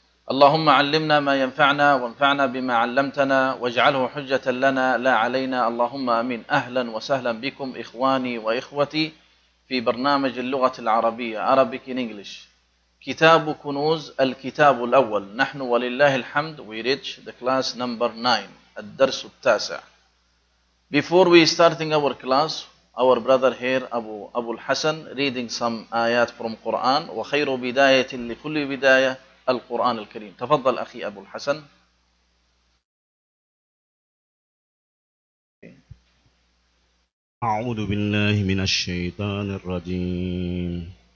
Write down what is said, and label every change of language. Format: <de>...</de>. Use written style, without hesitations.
<ar>اللهم علمنا ما ينفعنا وانفعنا بما علمتنا واجعله حجة لنا لا علينا، اللهم أمين. أهلا وسهلا بكم إخواني وإخوتي في برنامج اللغة العربية Arabic in English، كتاب كنوز الكتاب الأول. نحن ولله الحمد</ar> <en>we reach the class number 9،</en> <ar>الدرس التاسع.</ar> <en>Before we starting our class, our brother here Abu Hassan reading some ayat from Quran.</en> <ar>وخير بداية لكل بداية القرآن الكريم. تفضل أخي أبو الحسن. أعوذ بالله من الشيطان الرجيم.</ar>